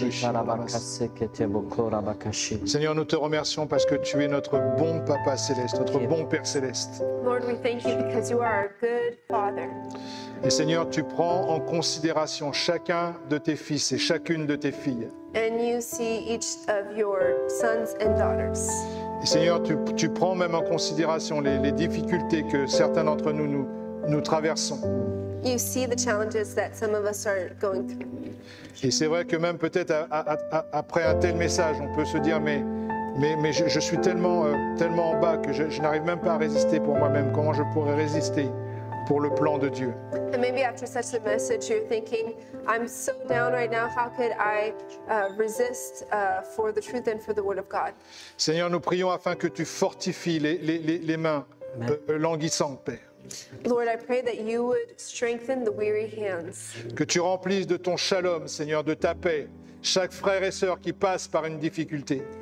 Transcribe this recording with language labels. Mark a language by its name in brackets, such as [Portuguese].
[French] Seigneur, nous te remercions parce que tu es notre bon Papa Céleste, notre bon Père Céleste. [English] Lord, we thank you because you are our good Father. [French] Et Seigneur, tu prends en considération chacun de tes fils et chacune de tes filles. [English] And you see each of your sons and daughters. [French] Et Seigneur, tu prends même en considération les difficultés que certains d'entre nous nous traversons. [English] You see the challenges that some of us are going through. [French] Et c'est vrai que même peut-être après un tel message, on peut se dire mais je suis tellement en bas que je n'arrive même pas à résister pour moi-même. Comment je pourrais résister pour le plan de Dieu? [English] And maybe after such a message, you're thinking, I'm so down right now, how could I resist for the truth and for the word of God? [French] Seigneur, nous prions afin que tu fortifies les mains languissantes, Père. [English] Lord, I pray that you would strengthen the weary hands. [French] Que tu remplisses de ton shalom, Seigneur, de ta paix, chaque frère et sœur qui passe par une difficulté.